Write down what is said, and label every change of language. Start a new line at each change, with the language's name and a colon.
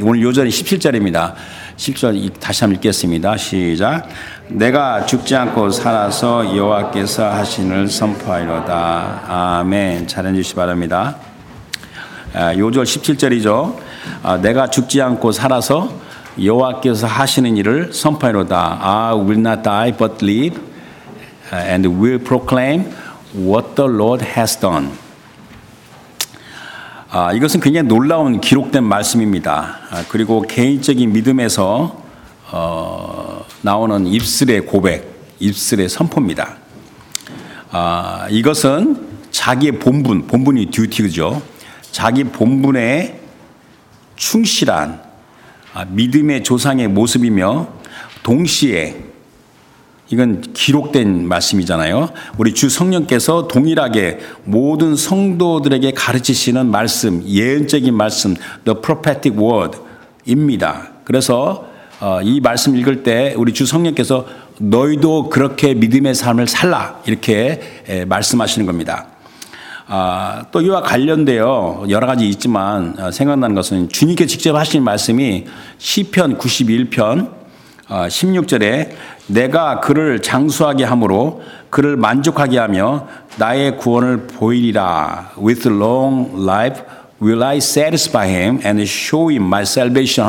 Korean: 오늘 요절이 17절입니다. 10절 다시 한번 읽겠습니다. 시작. 내가 죽지 않고 살아서 여호와께서 하신을 선포하이로다. 아멘. 잘해 주시기 바랍니다. 요절 17절이죠. 내가 죽지 않고 살아서 여호와께서 하시는 일을 선포하이로다.
English: I will not die but live and will proclaim what the Lord has done.
Korean: 이것은 굉장히 놀라운 기록된 말씀입니다. 그리고 개인적인 믿음에서 나오는 입술의 고백, 입술의 선포입니다. 이것은 자기의 본분, 본분이 듀티죠. 자기 본분에 충실한 믿음의 조상의 모습이며 동시에 이건 기록된 말씀이잖아요. 우리 주 성령께서 동일하게 모든 성도들에게 가르치시는 말씀, 예언적인 말씀,
English: the prophetic word
Korean: 입니다. 그래서 이 말씀 읽을 때 우리 주 성령께서 너희도 그렇게 믿음의 삶을 살라 이렇게 말씀하시는 겁니다. 또 이와 관련되어 여러 가지 있지만 생각나는 것은 주님께 직접 하신 말씀이 시편 91편 16절에 내가 그를 장수하게 함으로 그를 만족하게 하며 나의 구원을 보이리라.
English: With long life will I satisfy him and show him my salvation.